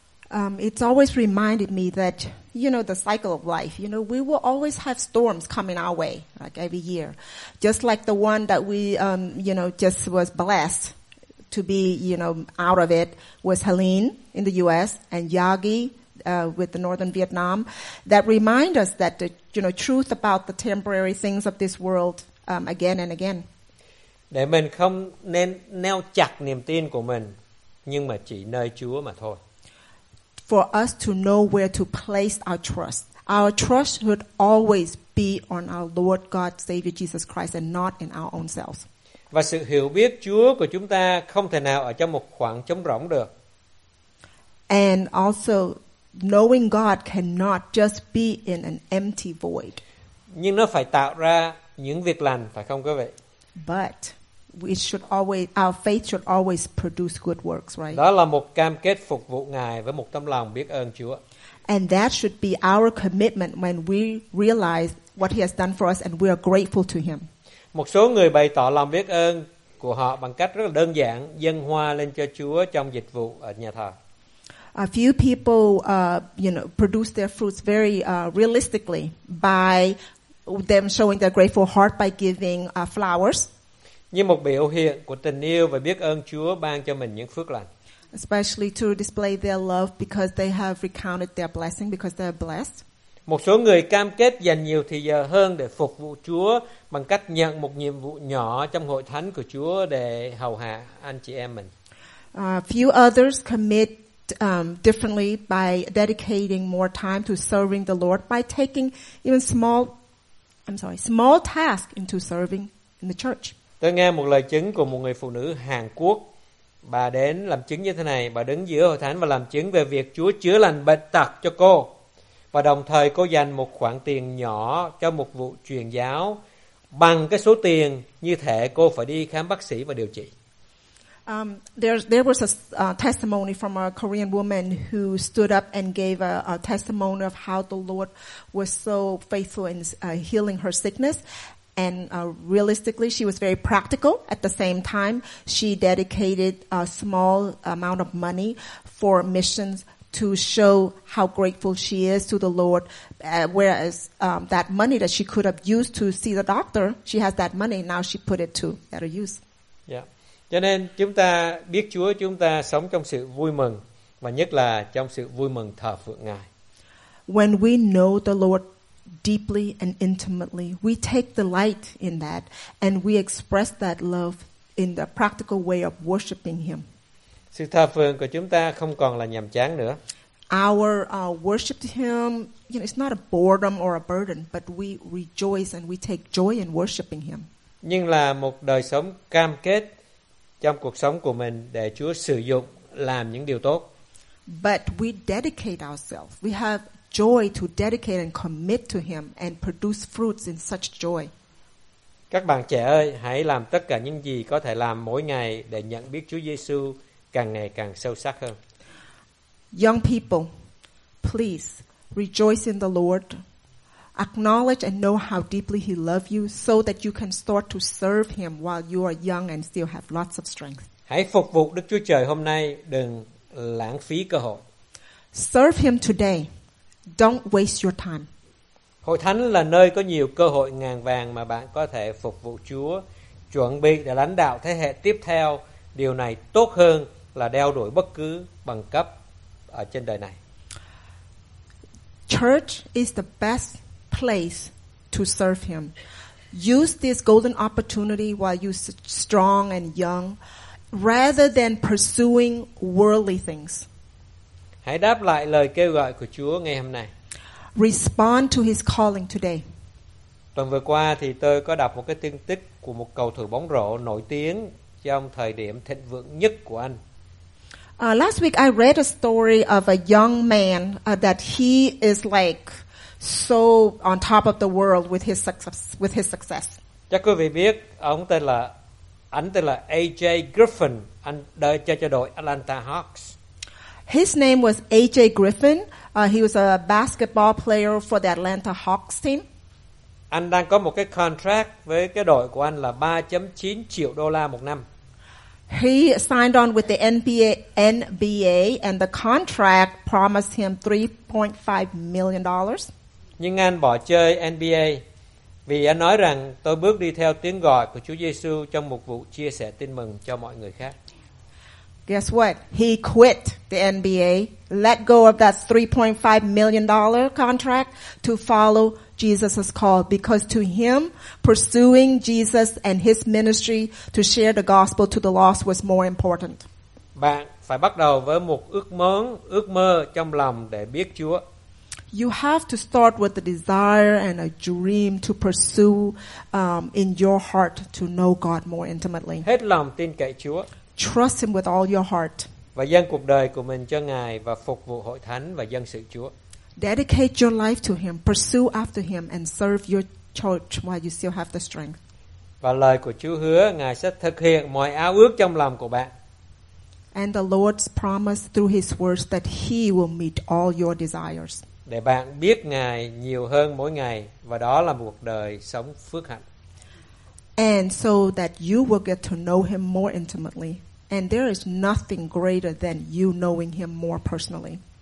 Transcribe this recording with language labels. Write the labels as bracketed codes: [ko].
[en] It's always reminded me that, you know, the cycle of life, you know, we will always have storms coming our way, like every year. Just like the one that we, you know, just was blessed to be, you know, out of it was Helene in the U.S. and Yagi with the northern Vietnam. That remind us that, the, you know, truth about the temporary things of this world again and again. [vi] Để mình không nên neo chặt niềm tin của mình, nhưng mà chỉ nơi Chúa mà thôi. [en] for us to know where to place our trust. Our trust should always be on our Lord God Savior Jesus Christ and not in our own selves. [vi] Và sự hiểu biết Chúa của chúng ta không thể nào ở trong một khoảng trống rỗng được. [en] And also knowing God cannot just be in an empty void. [vi] Nhưng nó phải tạo ra những việc lành, phải không quý vị? [en] But we should always, our faith should always produce good works, right? [vi] Đó là một cam kết phục vụ Ngài với một tấm lòng biết ơn Chúa. [en] And that should be our commitment when we realize what he has done for us and we are grateful to him. [vi] Một số người bày tỏ lòng biết ơn của họ bằng cách rất là đơn giản, dâng hoa lên cho Chúa trong dịch vụ ở nhà thờ. [en] A few people produce their fruits very realistically by them showing their grateful heart by giving flowers. [vi] Như một biểu hiện của tình yêu và biết ơn Chúa ban cho mình những phước lành. [en] Especially to display their love because they have recounted their blessing because they are blessed. [vi] Một số người cam kết dành nhiều thời giờ hơn để phục vụ Chúa bằng cách nhận một nhiệm vụ nhỏ trong hội thánh của Chúa để hầu hạ anh chị em mình. [en] Few others commit differently by dedicating more time to serving the Lord by taking even small tasks into serving in the church. [vi] Tôi nghe một lời chứng của một người phụ nữ Hàn Quốc. Bà đến làm chứng như thế này, bà đứng giữa hội thánh và làm chứng về việc Chúa chữa lành bệnh tật cho cô. Và đồng thời cô dành một khoản tiền nhỏ cho một vụ truyền giáo bằng cái số tiền như thể cô phải đi khám bác sĩ và điều trị. [en] There was a testimony from a Korean woman who stood up and gave a testimony of how the Lord was so faithful in healing her sickness. And realistically, she was very practical. At the same time, she dedicated a small amount of money for missions to show how grateful she is to the Lord. Whereas that money that she could have used to see the doctor, she has that money. Now she put it to better use. Yeah. [vi] Cho nên chúng ta biết Chúa, chúng ta sống trong sự vui mừng và nhất là trong sự vui mừng thờ phượng Ngài. [en] When we know the Lord deeply and intimately, we take delight in that and we express that love in the practical way of worshiping him. [vi] Sự thờ phượng của chúng ta không còn là nhàm chán nữa. [en] Our worship to him, it's not a boredom or a burden, but we rejoice and we take joy in worshiping him. [vi] Nhưng là một đời sống cam kết trong cuộc sống của mình để Chúa sử dụng làm những điều tốt. [en] But we dedicate ourselves. We have joy to dedicate and commit to him and produce fruits in such joy. [vi] Các bạn trẻ ơi, hãy làm tất cả những gì có thể làm mỗi ngày để nhận biết Chúa Giêsu càng ngày càng sâu sắc hơn. [en] Young people, please rejoice in the Lord. Acknowledge and know how deeply he loves you so that you can start to serve him while you are young and still have lots of strength. [vi] Hãy phục vụ Đức Chúa Trời hôm nay, đừng lãng phí cơ hội. [en] Serve him today. Don't waste your time. [vi] Hội thánh là nơi có nhiều cơ hội ngàn vàng mà bạn có thể phục vụ Chúa, chuẩn bị để lãnh đạo thế hệ tiếp theo. Điều này tốt hơn là đeo đuổi bất cứ bằng cấp ở trên đời này. [en] Church is the best place to serve him. Use this golden opportunity while you're strong and young, rather than pursuing worldly things. [vi] Hãy đáp lại lời kêu gọi của Chúa ngay hôm nay. [en] Respond to his calling today. [vi] Tuần vừa qua thì tôi có đọc một cái tin tức của một cầu thủ bóng rổ nổi tiếng trong thời điểm thịnh vượng nhất của anh. [en] Last week I read a story of a young man that he is like so on top of the world with his success. [vi] Chắc quý vị biết ông tên là AJ Griffin, anh đợi chơi cho đội Atlanta Hawks. [en] His name was AJ Griffin. He was a basketball player for the Atlanta Hawks team. [vi] Anh đang có một cái contract với cái đội của anh là 3.9 triệu đô la một năm. [en] He signed on with the NBA and the contract promised him $3.5 million. [vi] Nhưng anh bỏ chơi NBA vì anh nói rằng tôi bước đi theo tiếng gọi của Chúa Giêsu trong một vụ chia sẻ tin mừng cho mọi người khác. [en] Guess what? He quit the NBA, let go of that $3.5 million contract to follow Jesus' call because to him, pursuing Jesus and his ministry to share the gospel to the lost was more important. [vi] Bạn phải bắt đầu với một ước mơ trong lòng để biết Chúa. [en] You have to start with a desire and a dream to pursue in your heart to know God more intimately. [vi] Hết lòng tin cậy Chúa. [en] Trust him with all your heart. [vi] Và dâng cuộc đời của mình cho Ngài và phục vụ hội thánh và dân sự Chúa. [en] Dedicate your life to him, pursue after him and serve your church while you still have the strength. [vi] Và lời của Chúa hứa Ngài sẽ thực hiện mọi ao ước trong lòng của bạn. [en] And the Lord's promise through his words that he will meet all your desires. [vi] Để bạn biết Ngài nhiều hơn mỗi ngày và đó là một đời sống phước hạnh. [en] And so that you will get to know him more intimately. And there is nothing greater than you knowing him more personally.